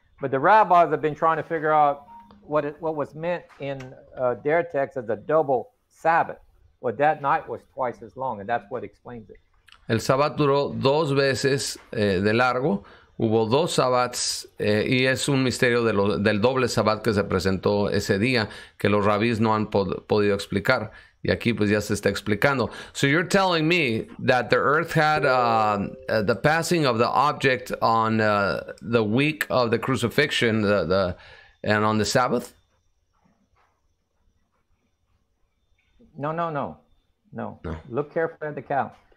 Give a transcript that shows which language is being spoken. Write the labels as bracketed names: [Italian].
[English] But the rabbis have been trying to figure out what was meant in their text as a double Sabbath. Well, that night was twice as long, and that's what explains it. [Spanish] El sabbat duró dos veces de largo. Hubo dos sabbats y es un misterio de del doble sabbat que se presentó ese día que los rabis no han podido explicar. Y aquí pues ya se está explicando. [English] So you're telling me that the earth had the passing of the object on the week of the crucifixion and on the Sabbath? No. Look carefully at the calendar.